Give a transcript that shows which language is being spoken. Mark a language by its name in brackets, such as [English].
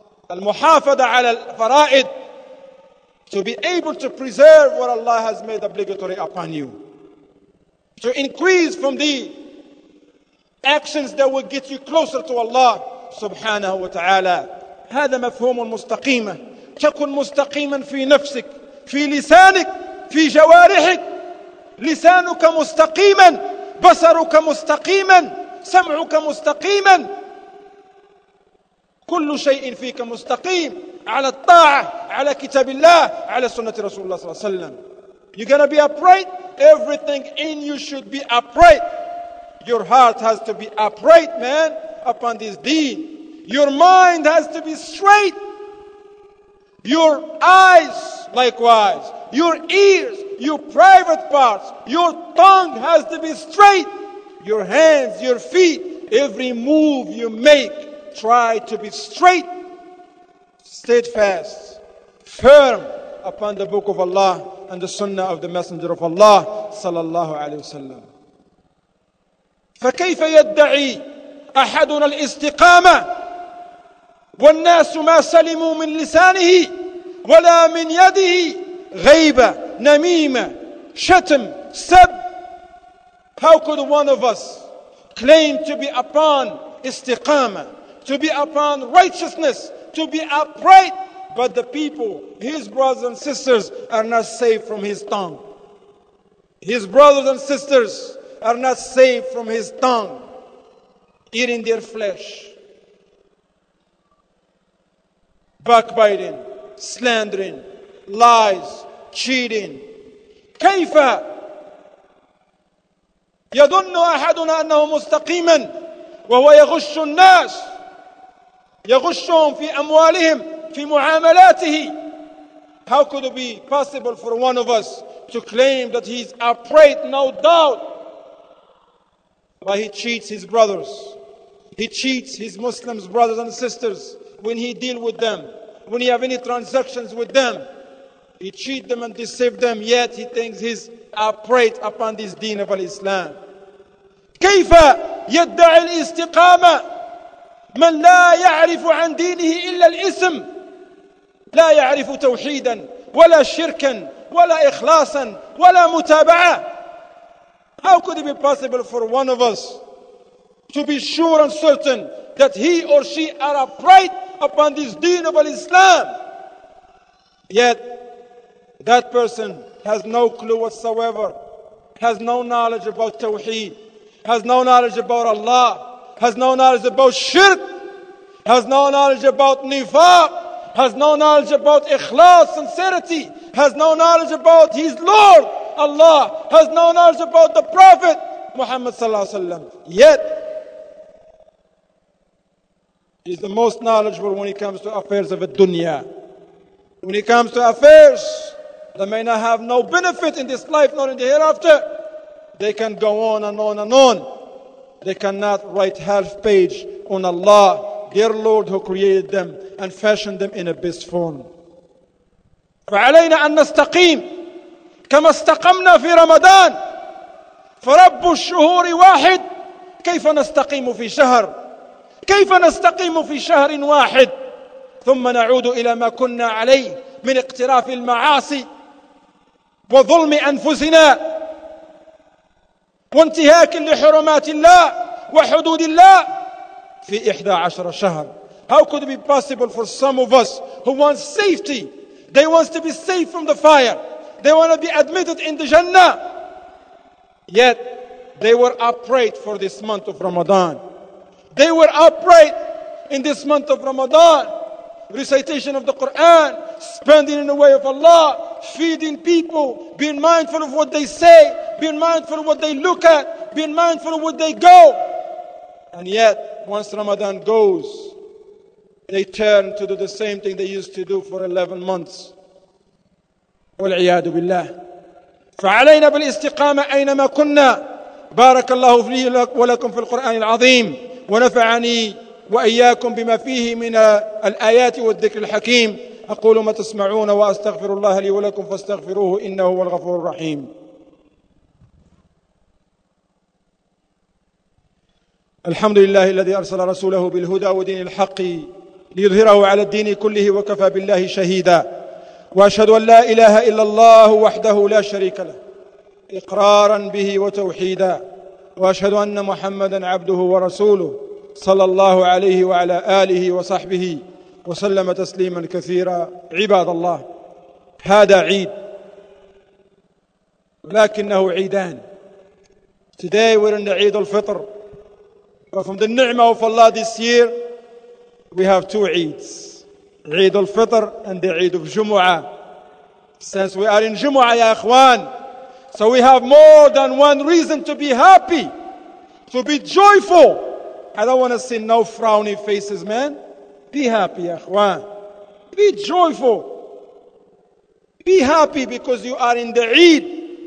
[Arabic] Al-muhafada ala al-fara'id, [English] to be able to preserve what Allah has made obligatory upon you, to increase from the actions that will get you closer to Allah [Arabic] subhanahu wa ta'ala. هذا مفهوم المستقيمة. تكن مستقيما في نفسك في لسانك في جوارحك. لسانك مستقيما، بصرك مستقيما، سمعك مستقيما، كل شيء فيك مستقيم على الطاعة، على كتاب الله، على سنة رسول الله صلى الله عليه وسلم. [English] You're gonna be upright. Everything in you should be upright. Your heart has to be upright, man, upon this deen. Your mind has to be straight. Your eyes, likewise. Your ears, your private parts. Your tongue has to be straight. Your hands, your feet, every move you make, try to be straight, steadfast, firm upon the book of Allah and the sunnah of the messenger of Allah [Arabic] sallallahu alayhi wasallam. فكيف يدعي أحدنا الاستقامة والناس ما سلموا من لسانه ولا من يده غيبة نميمة شتم سب. [English] How could one of us claim to be upon استقامة, to be upon righteousness, to be upright, but the people, his brothers and sisters, are not safe from his tongue? His brothers and sisters are not safe from his tongue, eating their flesh, backbiting, slandering, lies, cheating. [Arabic] كيف يظن أحدنا أنه مستقيما وهو يغش الناس, يغشهم في أموالهم في معاملاته. [English] How could it be possible for one of us to claim that he is upright, no doubt, but he cheats his brothers, he cheats his Muslims brothers and sisters when he deal with them, when he have any transactions with them, he cheat them and deceive them, yet he thinks he's upright upon this deen of Islam. [Arabic] كيف يدعي الاستقامة من لا يعرف عن دينه إلا الاسم, لا يعرف توحيدا ولا شركا ولا إخلاصا ولا متابعة. [English] How could it be possible for one of us to be sure and certain that he or she are upright upon this deen of Islam, yet that person has no clue whatsoever, has no knowledge about Tawheed, has no knowledge about Allah, has no knowledge about Shirk, has no knowledge about Nifaq, has no knowledge about Ikhlas, sincerity, has no knowledge about his Lord, Allah, has no knowledge about the Prophet Muhammad [Arabic] sallallahu alaihi wasallam, [English] yet he's the most knowledgeable when it comes to affairs of the dunya. When it comes to affairs that may not have no benefit in this life nor in the hereafter, they can go on and on and on. They cannot write half page on Allah, their Lord, who created them and fashioned them in a best form. [Arabic] فعلينا أن نستقيم كما استقمنا في رمضان, فرب الشهور واحد. كيف نستقيم في شهر, كيف نستقيم في شهر واحد, ثم نعود إلى ما كنا عليه من اقتراف المعاصي وظلم أنفسنا وانتهاك لحرمات الله وحدود الله في 11 شهر. [English] How could it be possible for some of us who want safety? They want to be safe from the fire. They want to be admitted in the Jannah. Yet, they were upright for this month of Ramadan. They were upright in this month of Ramadan. Recitation of the Quran, spending in the way of Allah, feeding people, being mindful of what they say, being mindful of what they look at, being mindful of what they go. And yet, once Ramadan goes, they turn to do the same thing they used to do for 11 months. [Arabic] والعياذ بالله. فعلينا بالاستقامة أينما كنا. بارك الله لي ولكم في القرآن العظيم ونفعني وإياكم بما فيه من الآيات والذكر الحكيم. أقول ما تسمعون وأستغفر الله لي ولكم فاستغفروه إنه هو الغفور الرحيم. الحمد لله الذي أرسل رسوله بالهدى ودين الحق ليظهره على الدين كله وكفى بالله شهيدا. وأشهد أن لا إله إلا الله وحده لا شريك له إقرارا به وتوحيدا. وأشهد أن محمدا عبده ورسوله صلى الله عليه وعلى آله وصحبه وسلم تسليما كثيرا. عباد الله، هذا عيد لكنه عيدان. [English] Today we're in the عيد الفطر. But from the ni'mah of Allah this year, we have two عيدs. [Arabic] عيد الفطر [English] and the [Arabic] عيد الجمعة. [English] Since we are in [Arabic] جمعة يا إخوان, [English] so we have more than one reason to be happy, to be joyful. I don't want to see no frowny faces, man. Be happy, [Arabic] يا إخوان. [English] Be joyful. Be happy because you are in the عيد.